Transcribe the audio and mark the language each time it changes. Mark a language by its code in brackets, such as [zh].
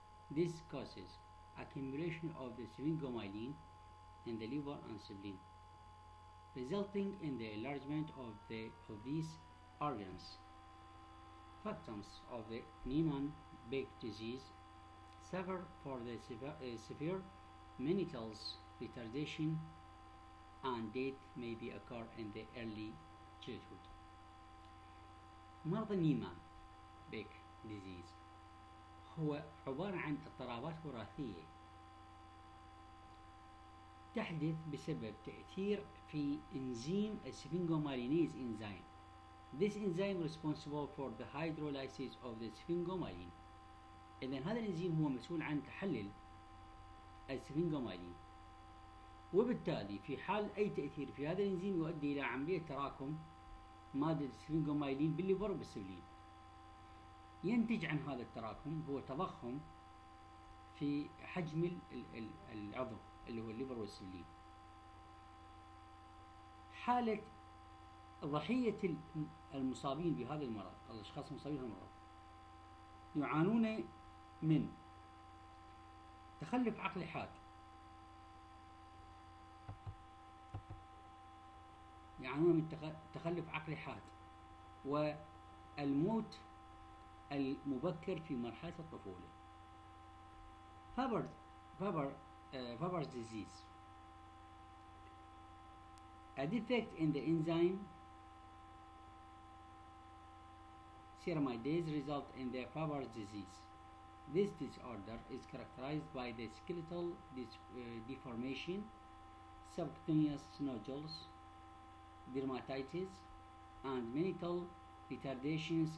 [en] This causes accumulation of the sphingomyelin in the liver and spleen, resulting in the enlargement of these organs. Victims of the Niemann-Pick disease suffer for the severe mental retardation, and death may be occur in the early childhood. [ar] مرض Niemann-Pick disease هو عبارة عن اضطرابات وراثية تحدث بسبب تأثير في إنزيم السفينجومالينيز إنزيم. [en] This enzyme responsible for the hydrolysis of the sphingomyelin. [ar] إذن هذا الإنزيم هو مسؤول عن تحلل السفينجومالين. وبالتالي في حال أي تأثير في هذا الإنزيم يؤدي إلى عملية تراكم مادة السفينجومالين بالليفر وبالسبلين. ينتج عن هذا التراكم هو تضخم في حجم العضو اللي هو الليفر والسبلين. حالة ضحية المصابين بهذا المرض، الأشخاص المصابين بهذا المرض يعانون من تخلف عقل حاد، يعانون من تخلف عقل حاد والموت المبكر في مرحلة الطفولة. [en] Farber's disease. A defect in the enzyme ceramidase result in the Farber's disease. This disorder is characterized by the skeletal deformation, subcutaneous nodules, dermatitis, and mental retardations.